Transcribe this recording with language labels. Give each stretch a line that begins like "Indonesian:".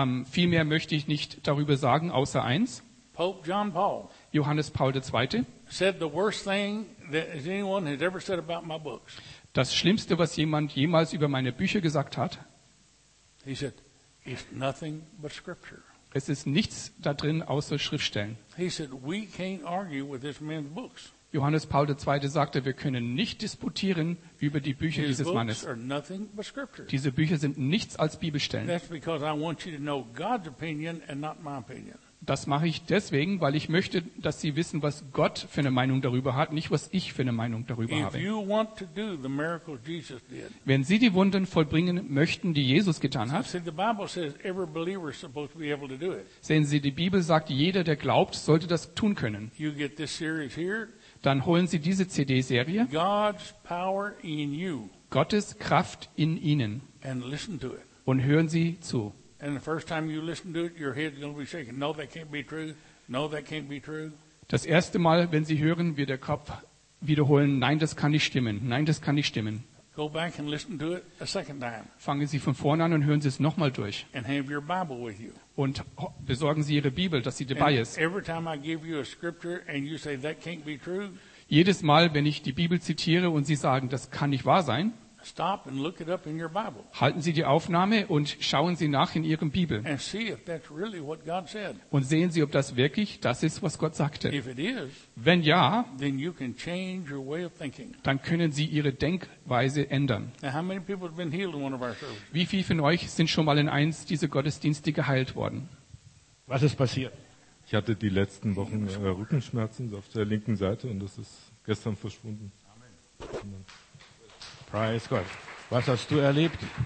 German: Viel mehr möchte ich nicht darüber sagen, außer eins.
English: Pope John Paul,
German: Johannes Paul II.
English: Said the worst thing that anyone has ever said about my books.
German: Das Schlimmste, was jemand jemals über meine Bücher gesagt hat.
English: He said, it's nothing but scripture.
German: Es ist nichts da drin, außer Schriftstellen.
English: He said, we can't argue with this man's books.
German: Johannes Paul II. Sagte, wir können nicht disputieren über die Bücher
English: his
German: dieses Mannes.
English: Are nothing but scripture.
German: Diese Bücher sind nichts als Bibelstellen.
English: That's because I want you to know God's opinion and not my opinion.
German: Das mache ich deswegen, weil ich möchte, dass Sie wissen, was Gott für eine Meinung darüber hat, nicht was ich für eine Meinung darüber
English: if
German: habe.
English: You want to do the miracle Jesus did,
German: wenn Sie die Wunden vollbringen möchten, die Jesus getan hat,
English: see, the Bible says every believer is supposed to be able to do it.
German: Sehen Sie, die Bibel sagt, jeder, der glaubt, sollte das tun können.
English: You get this series here,
German: dann holen Sie diese CD-Serie,
English: God's power in you,
German: Gottes Kraft in Ihnen,
English: and listen to it.
German: Und hören Sie zu.
English: And the first time you listen to it, your head's going to be shaking. No, that can't be true. No, that can't be true.
German: Das erste Mal, wenn Sie hören, wird der Kopf wiederholen, nein, das kann nicht stimmen. Nein, das kann nicht stimmen.
English: Go back and listen to it a second time.
German: Fangen Sie von vorne an und hören Sie es nochmal durch.
English: And have your Bible with you.
German: Und besorgen Sie Ihre Bibel, dass sie dabei ist.
English: Every time I give you a scripture and you say that can't be true.
German: Jedes Mal, wenn ich die Bibel zitiere und Sie sagen, das kann nicht wahr sein.
English: Stop and look it up in your Bible.
German: Halten Sie die Aufnahme und schauen Sie nach in Ihrem Bibel.
English: And see if that's really what God said.
German: Und sehen Sie, ob das wirklich das ist, was Gott sagte.
English: If it is,
German: wenn ja,
English: then you can change your way of thinking.
German: Dann können Sie Ihre Denkweise ändern.
English: Now, how many people have been healed in one of our services?
German: Wie viele von euch sind schon mal in eins dieser Gottesdienste geheilt worden? Was ist passiert? Ich hatte die letzten Wochen Rückenschmerzen auf der linken Seite und das ist gestern verschwunden. Amen.
English: Praise God.
German: Was hast du erlebt?